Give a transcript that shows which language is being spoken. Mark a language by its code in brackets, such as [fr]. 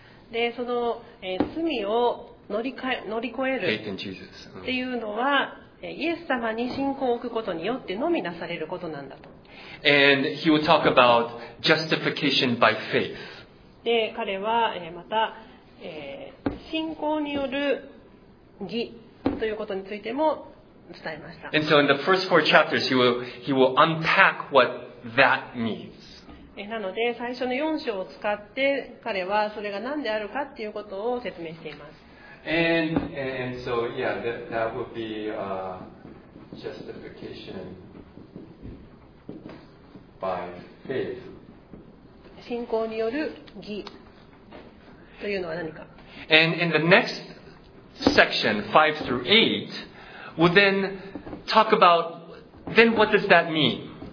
[ja] で、その、罪を乗り越える [en] faith in Jesus. [ja] っていうのは、イエス様に信仰を置くことによってのみなされることなんだと。 [en] And he will talk about justification by faith. [ja] で、彼は、また、信仰による義ということについても伝えました。 [en] And so in the first four chapters, he will unpack whatThat means. [ja] なので最初の4章を使って彼はそれが何であるかっていうことを説明しています。 [en] And so yeah, that would be justification by faith. [ja] 信仰による義というのは何か。 [en] And in the next section 5 through 8 will then talk about then what does that mean?